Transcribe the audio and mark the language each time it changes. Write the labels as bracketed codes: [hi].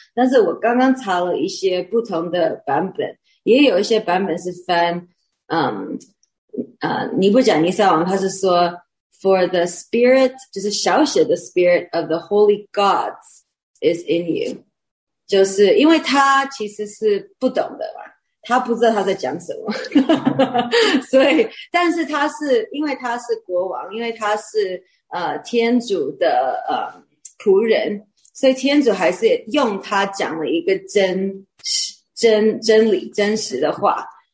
[zh] 但是我刚刚查了一些不同的版本，也有一些版本是翻，尼布甲尼撒王他是说 [en] For the spirit, [zh] 就是小写的 [en] spirit of the holy gods is in you. [zh] 就是因为他其实是不懂的嘛，他不知道他在讲什么。所以但是他是因为他是国王，因为他是天主的仆人，所以天主还是用他讲了一个真理真实的话。